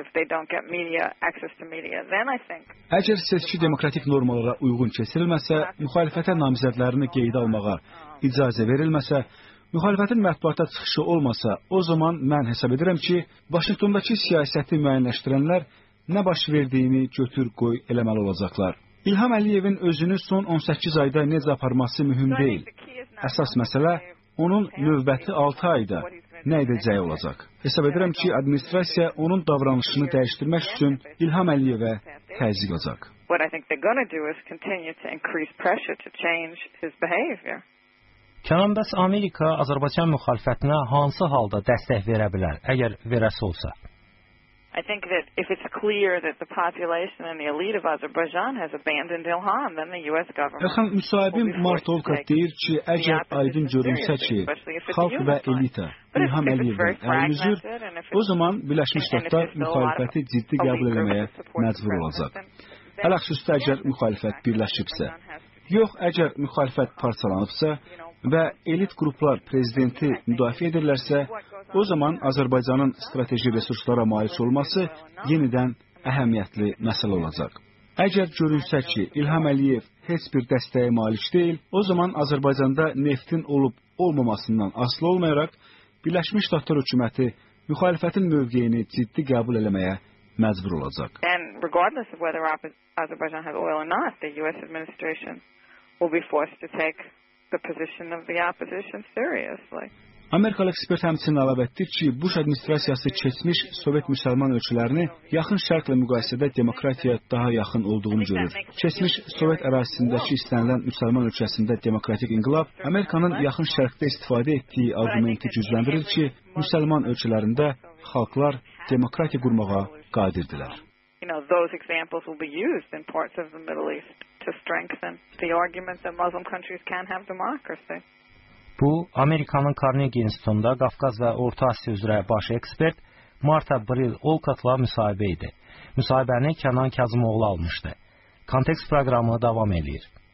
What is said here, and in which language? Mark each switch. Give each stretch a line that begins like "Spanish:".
Azerbaijani: Əgər seçki demokratik normalara uyğun keçirilməsə, müxalifətə namizədlərini qeydə almağa icazə verilməsə, müxalifətin mətbuatda çıxışı olmasa, o zaman mən hesab edirəm ki, Vaşinqtondakı siyasəti müəyyənləşdirənlər nə baş verdiyini götür-qoy eləməli olacaqlar. İlham Əliyevin özünü son 18 ayda necə aparması mühüm deyil. Əsas məsələ onun növbəti 6 ayda nə edəcəyi olacaq. Hesab edirəm ki, administrasiya onun davranışını dəyişdirmək üçün İlham Əliyevə təzyiq olacaq.
English: What I think they're going to do is continue to increase pressure to change his behavior.
Azerbaijani: Kənan, bəs Amerika Azərbaycan müxalifətinə hansı halda dəstək verə bilər, əgər verəsə olsa?
English: I think that if it's clear that the population and the elite of Azerbaijan has abandoned Ilham, then the U.S. government...
Azerbaijani: Əxan, müsahibim Mart Olkaq deyir ki, əgər aydın görünsə ki, xalq və elita, İlham Əliyevdən əlini üzür, o zaman Birləşmiş Ştatlar müxalifəti ciddi qəbul eləməyə məcbur olacaq. Hələ xüsusdə əgər müxalifət birləşibsə, yox əgər müxalifət parçalanıbsa və elit qruplar prezidenti müdafiə edirlərsə, o zaman Azərbaycanın strateji resurslara malik olması yenidən əhəmiyyətli məsələ olacaq. Əgər görünsə ki, İlham Əliyev heç bir dəstəyə malik deyil, o zaman Azərbaycanda neftin olub-olmamasından asılı olmayaraq, Birləşmiş Ştatlar hökuməti müxalifətin mövqeyini ciddi qəbul eləməyə məcbur olacaq.
English: And regardless of whether Azerbaijan has oil or not, the U.S. administration will be forced to take the position of the opposition seriously.
Azerbaijani: Amerikalı ekspert həmçinin əlavə etdi ki, Bush administrasiyası keçmiş Sovet müsəlman ölkələrini yaxın şərqlə müqayisədə demokratiyaya daha yaxın olduğunu görür. Keçmiş Sovet ərazisindəki istənilən müsəlman ölkəsində demokratik inqilab, Amerikanın yaxın şərqdə istifadə etdiyi argumenti gücləndirir ki, müsəlman ölkələrində xalqlar demokratiya qurmağa qadirdirlər.
English: You know, those examples will be used in parts of the Middle East to strengthen the argument that Muslim countries can have democracy.
Azerbaijani: Bu, Amerikanın Carnegie İnstitutunda Qafqaz və Orta Asiya üzrə baş ekspert Mart-Abril Olkatla müsahibə idi. Müsahibəni Kənan Kazımoğlu almışdı. Kontekst proqramı davam edir.